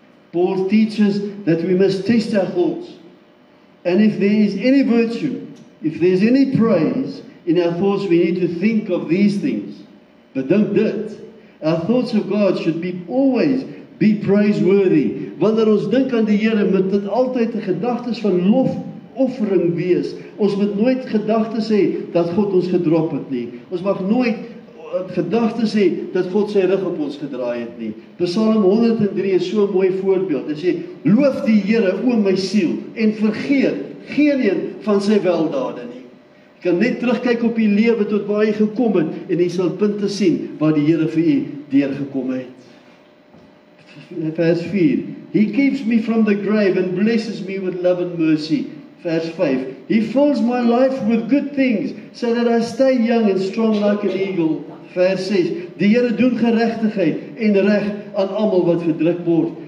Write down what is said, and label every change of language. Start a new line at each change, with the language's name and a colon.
English: Paul teaches that we must test our thoughts. And if there is any virtue, if there's any praise in our thoughts, we need to think of these things. But don't do it. Our thoughts of God should be always be praiseworthy.
Afrikaans: Wanneer ons dink aan die Here, moet dit altyd 'n gedagtes van lofoffering wees. Ons moet nooit gedagtes hê dat God ons gedrop het nie. Ons mag nooit gedagtes hê dat God sy rug op ons gedraai het nie. Psalm 103 is so 'n mooi voorbeeld. Hy sê, loof die Here, o my siel, en vergeet geen een van sy weldade nie. Jy kan net terugkyk op die lewe tot waar jy gekom het en jy sal punte sien waar die Here vir jy deurgekom het. Vers 4,
English: He keeps me from the grave and blesses me with love and mercy.
Afrikaans: Vers 5,
English: He fills my life with good things so that I stay young and strong like an eagle.
Afrikaans: Vers 6, Die Here doen geregtigheid en reg aan almal wat verdruk word.